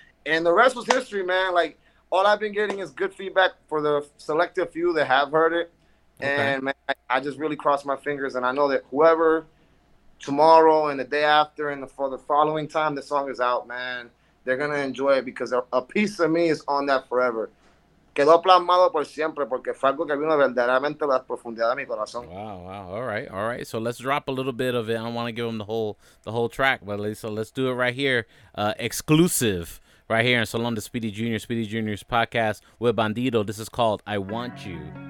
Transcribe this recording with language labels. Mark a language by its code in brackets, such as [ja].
[en] And the rest was history, man. Like, all I've been getting is good feedback for the selective few that have heard it. Okay. And, man, I just really crossed my fingers. And I know that whoever tomorrow and the day after and for the following time the song is out, man, they're going to enjoy it because a piece of me is on that forever. [es] Quedó plasmado por siempre porque fue algo que vino verdaderamente a la profundidad de mi corazón. [en] Wow, wow. All right. So let's drop a little bit of it. I don't want to give them the whole track, but let's do it right here. Exclusive right here in Salon de Speedy Jr., Speedy Jr.'s podcast with Bandido. This is called I Want You.